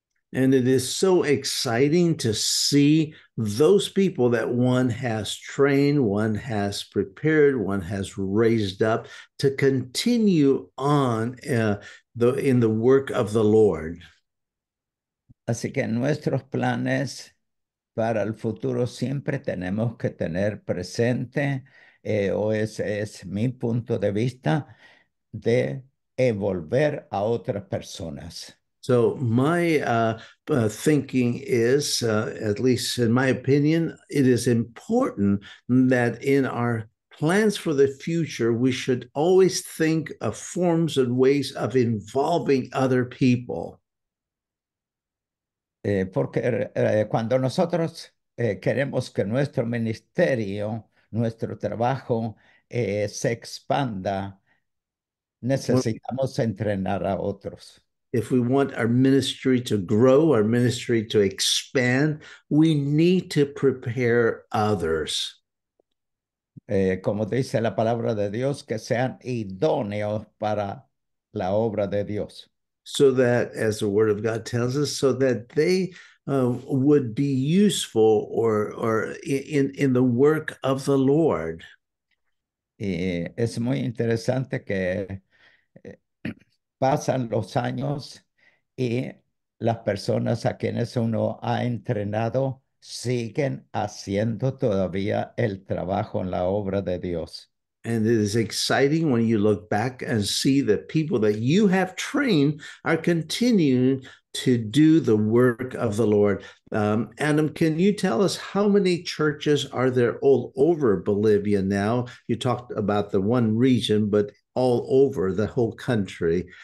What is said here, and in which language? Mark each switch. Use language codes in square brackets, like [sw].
[en] And it is so exciting to see those people that one has trained, one has prepared, one has raised up to continue on in the work of the Lord. [es] Así que nuestros planes para el futuro siempre tenemos que tener presente, o ese es mi punto de vista, de envolver a otras personas. [en] So my thinking is, at least in my opinion, it is important that in our plans for the future, we should always think of forms and ways of involving other people. [es] Porque cuando nosotros queremos que nuestro ministerio, nuestro trabajo se expanda, necesitamos entrenar a otros. [en] If we want our ministry to grow, our ministry to expand, we need to prepare others. [es] Como dice la palabra de Dios, que sean idóneos para la obra de Dios. [en] So that, as the Word of God tells us, so that they would be useful or in the work of the Lord. [es] Es muy interesante que pasan los años y las personas a quienes uno ha entrenado siguen haciendo todavía el trabajo en la obra de Dios. [en] And it is exciting when you look back and see that people that you have trained are continuing to do the work of the Lord. Adam, can you tell us how many churches are there all over Bolivia now? You talked about the one region, but all over the whole country.